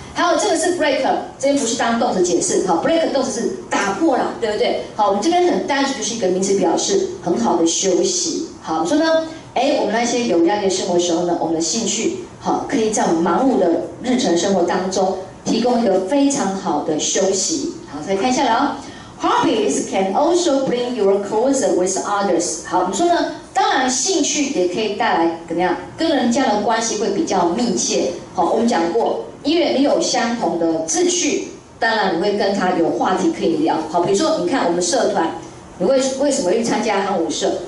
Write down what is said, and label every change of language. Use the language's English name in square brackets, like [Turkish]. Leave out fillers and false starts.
[Chinese] 还有这个是 break， 这边不是当动词解释，好 ，break 动词是打破了，对不对？好，我们这边很单纯，就是一个名词表示很好的休息。好，所以呢，哎，我们那些有压力的生活时候呢，我们的兴趣好，可以在我们忙碌的日程生活当中提供一个非常好的休息。好，再看下来哦。 [English] Hobbies can also bring you closer with others。 [Chinese] 好，我们说呢，当然兴趣也可以带来怎么样，跟人家的关系会比较密切。好，我们讲过，因为你有相同的志趣，当然你会跟他有话题可以聊。好，比如说你看我们社团，你为什么去参加韩舞社？